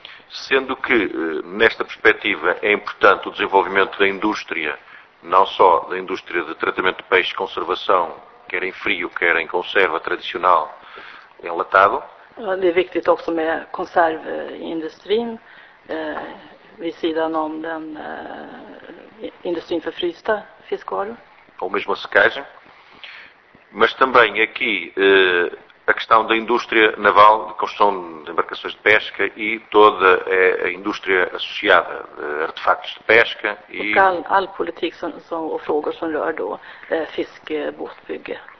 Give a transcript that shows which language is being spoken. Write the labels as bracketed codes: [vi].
[pt] Sendo que nesta perspectiva é importante o desenvolvimento da indústria não só da indústria de tratamento de peixe de conservação, quer em frio, quer em conserva tradicional, enlatado. [sv] Det är viktigt också med konservindustrin vid sidan om den industrin för frysta fiskvaror. [pt] Ou mesmo a secagem. Mas também aqui a questão da indústria naval, de construção de embarcações de pesca e toda a indústria associada de artefatos de pesca e... [sv] Och all politik som, och frågor som rör då fiskebåtsbygge.